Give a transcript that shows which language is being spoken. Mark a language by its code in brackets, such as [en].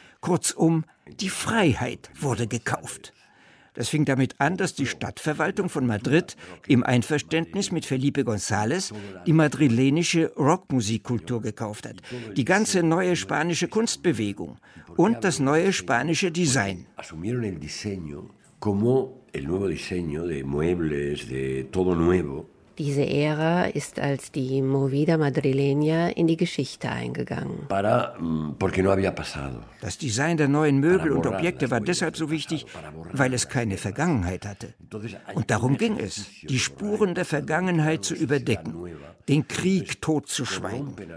[de] Kurzum, die Freiheit wurde gekauft. Das fing damit an, dass die Stadtverwaltung von Madrid im Einverständnis mit Felipe González die madrilenische Rockmusikkultur gekauft hat, die ganze neue spanische Kunstbewegung und das neue spanische Design. [es] Asumieron el diseño como el nuevo diseño de muebles de todo nuevo. [de] Diese Ära ist als die Movida Madrileña in die Geschichte eingegangen. Das Design der neuen Möbel und Objekte war deshalb so wichtig, weil es keine Vergangenheit hatte. Und darum ging es, die Spuren der Vergangenheit zu überdecken, den Krieg totzuschweigen.